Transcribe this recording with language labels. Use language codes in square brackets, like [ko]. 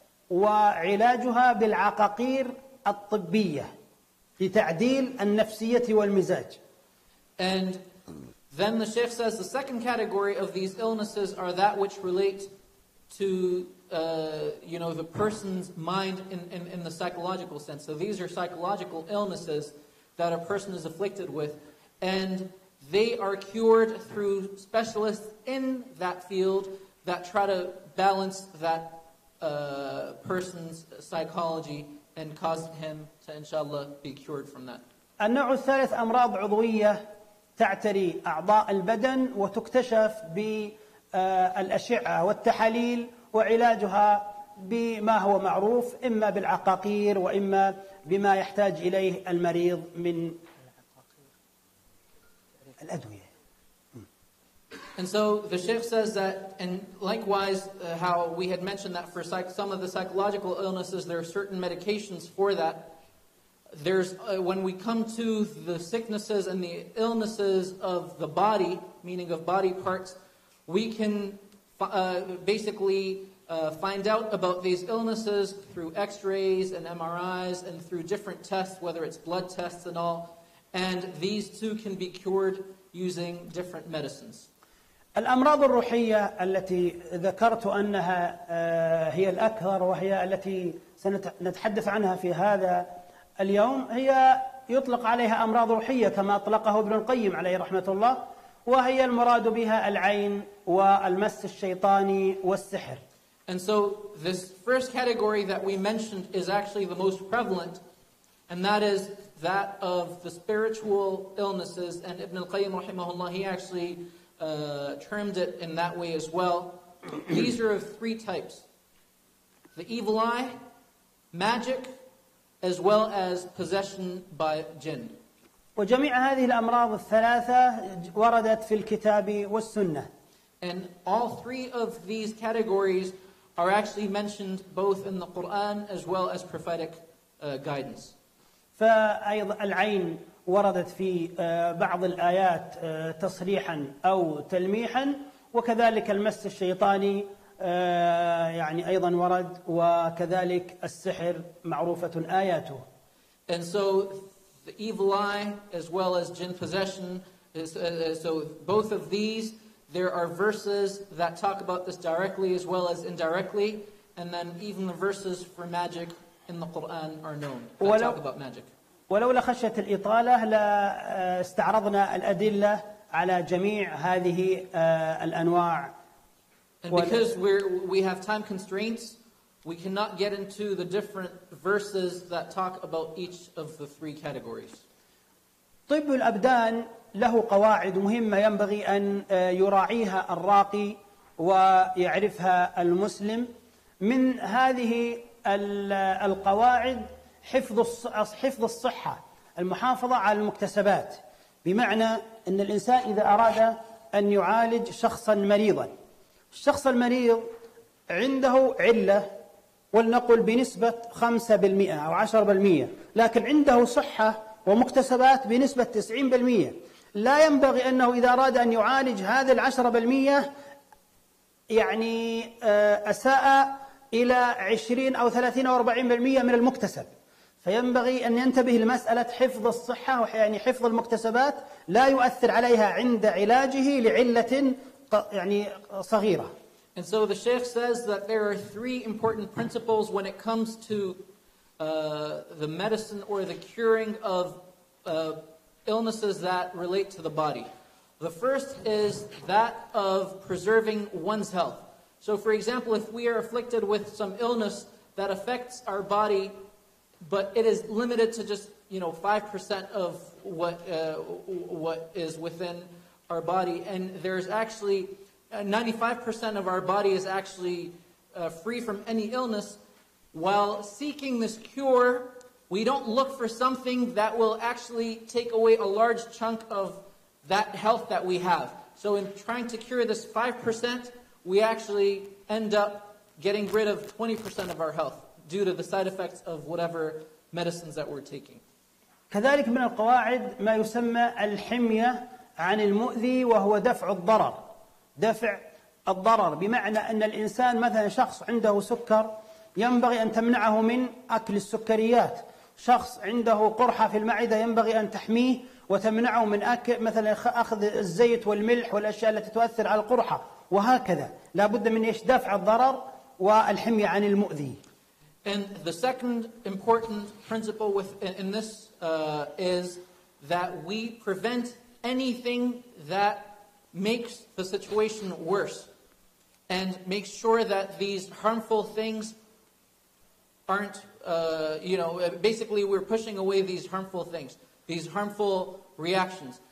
[ar] وعلاجها بالعقاقير الطبية لتعديل النفسية والمزاج. [en] And then the Sheikh says the second category of these illnesses are that which relate to you know the person's mind in the psychological sense. So these are psychological illnesses that a person is afflicted with, and they are cured through specialists in that field that try to balance that person's psychology and cause him to, inshallah, be cured from that. [ar] النوع الثالث أمراض عضوية تعتري أعضاء البدن وتكتشف بالأشعة والتحاليل وعلاجها بما هو معروف إما بالعقاقير وإما بما يحتاج إليه المريض من الأدوية. [en] And so the Sheikh says that, and likewise how we had mentioned that for some of the psychological illnesses, there are certain medications for that. There's when we come to the sicknesses and the illnesses of the body, meaning of body parts, we can find out about these illnesses through x-rays and MRIs and through different tests, whether it's blood tests and all. And these too can be cured using different medicines. [ar] الأمراض الروحية التي ذكرت أنها هي الأكثر وهي التي سنتحدث عنها في هذا اليوم هي يطلق عليها أمراض روحية كما أطلقه ابن القيم عليه رحمة الله وهي المراد بها العين والمس الشيطاني والسحر. [en] And so this first category that we mentioned is actually the most prevalent, and that is that of the spiritual illnesses. And Ibn al-Qayyim [ar] رحمه الله [en] he actually termed it in that way as well. These are of three types: the evil eye, magic, as well as possession by jinn. [ar] وجميع هذه الأمراض الثلاثة وردت في الكتاب والسنة. [en] And all three of these categories are actually mentioned both in the Quran as well as prophetic guidance. [ar] فأيضا العين وردت في بعض الآيات تصريحا أو تلميحا وكذلك المس الشيطاني يعني أيضا ورد وكذلك السحر معروفة آياته. [en] And so the evil eye as well as jinn possession so both of these there are verses that talk about this directly as well as indirectly and then even the verses for magic in the Quran are known that talk about magic. [ar] ولولا خشية الإطالة لا استعرضنا الأدلة على جميع هذه الأنواع. [en] And because we have time constraints, we cannot get into the different verses that talk about each of the three categories. [ar] طب الأبدان له قواعد مهمة ينبغي أن يراعيها الراقي ويعرفها المسلم. من هذه القواعد حفظ الصحة المحافظة على المكتسبات بمعنى أن الإنسان إذا أراد أن يعالج شخصا مريضا الشخص المريض عنده علة ولنقل بنسبة 5% أو 10% لكن عنده صحة ومكتسبات بنسبة 90% لا ينبغي أنه إذا أراد أن يعالج هذا 10% يعني أساء إلى 20 أو 30 أو 40% من المكتسب. فينبغي أن ينتبه لمسألة حفظ الصحة، يعني حفظ المكتسبات لا يؤثر عليها عند علاجه لعلة يعني صغيرة. [en] And so the Sheikh says that there are three important principles when it comes to the medicine or the curing of illnesses that relate to the body. The first is that of preserving one's health. So for example, if we are afflicted with some illness that affects our body, but it is limited to just, you know, 5% of what is within our body, and there's actually 95% of our body is actually free from any illness, while seeking this cure, we don't look for something that will actually take away a large chunk of that health that we have. So in trying to cure this 5%, we actually end up getting rid of 20% of our health due to the side effects of whatever medicines that we're taking. [ar] كذلك من القواعد ما يسمى الحمية عن المؤذي، وهو دفع الضرر. دفع الضرر بمعنى أن الإنسان مثلا شخص عنده سكر ينبغي أن تمنعه من أكل السكريات، شخص عنده قرحة في المعدة ينبغي أن تحميه وتمنعه من أكل مثلا أخذ الزيت والملح والأشياء التي تؤثر على القرحة، وهكذا لا بد من إيش دفع الضرر والحمية عن المؤذي. [en] And the second important principle in this is that we prevent anything that makes the situation worse and make sure that these harmful things aren't, you know, basically we're pushing away these harmful things, these harmful reactions.